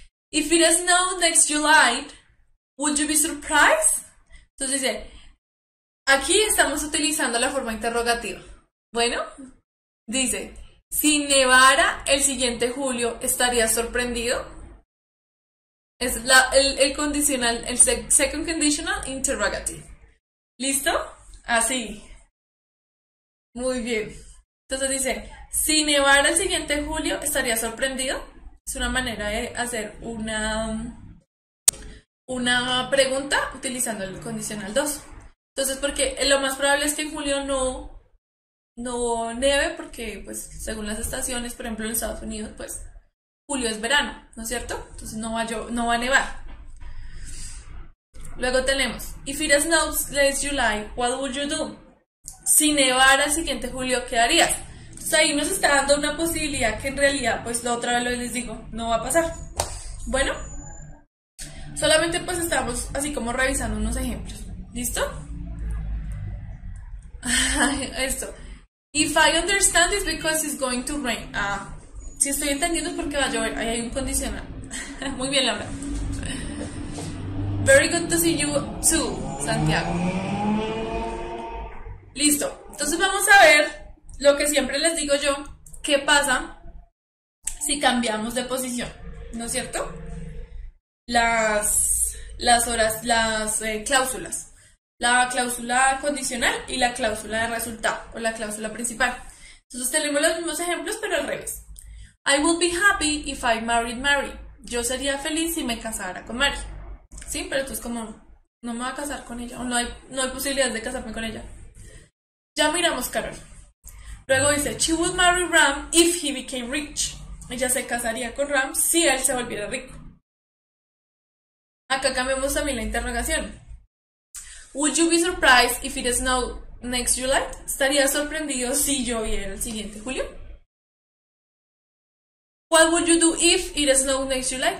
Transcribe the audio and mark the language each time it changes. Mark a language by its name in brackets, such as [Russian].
[English] If it snows next July, would you be surprised? [Spanish] Entonces dice, aquí estamos utilizando la forma interrogativa. Bueno, dice, si nevara el siguiente julio, ¿estarías sorprendido? Es el condicional, el [English] second conditional interrogative. [Spanish] ¿Listo? Así. Muy bien. Entonces dice, si nevara el siguiente julio, ¿estarías sorprendido? Es una manera de hacer una pregunta utilizando el condicional 2. Entonces, porque lo más probable es que en julio no nieve, porque pues según las estaciones, por ejemplo en Estados Unidos, pues julio es verano, ¿no es cierto? Entonces no va a nevar. Luego tenemos, [English] if it snows next July, what would you do? [Spanish] Si nevara el siguiente julio, ¿qué harías? Entonces ahí nos está dando una posibilidad que en realidad, pues la otra vez les digo, no va a pasar. Bueno, solamente pues estamos así como revisando unos ejemplos. ¿Listo? Esto. [English] If I understand it's because it's going to rain. [Spanish] Ah, si estoy entendiendo es porque va a llover. Ahí hay un condicional. Muy bien, Laura. [English] Very good to see you too, [Spanish] Santiago. Listo. Entonces vamos a ver lo que siempre les digo yo. ¿Qué pasa si cambiamos de posición? ¿No es cierto? Las, las horas, las cláusulas. La cláusula condicional y la cláusula de resultado, o la cláusula principal. Entonces tenemos los mismos ejemplos, pero al revés. [English] I would be happy if I married Mary. [Spanish] Yo sería feliz si me casara con Mary. ¿Sí? Pero entonces como no me voy a casar con ella, o no hay posibilidades de casarme con ella. Ya miramos Carol. Luego dice, [English] she would marry Ram if he became rich. [Spanish] Ella se casaría con Ram si él se volviera rico. Acá cambiamos también la interrogación. [English] Would you be surprised if it snowed next July? [Spanish] ¿Estaría sorprendido si lloviera el siguiente julio? [English] What would you do if it snowed next July?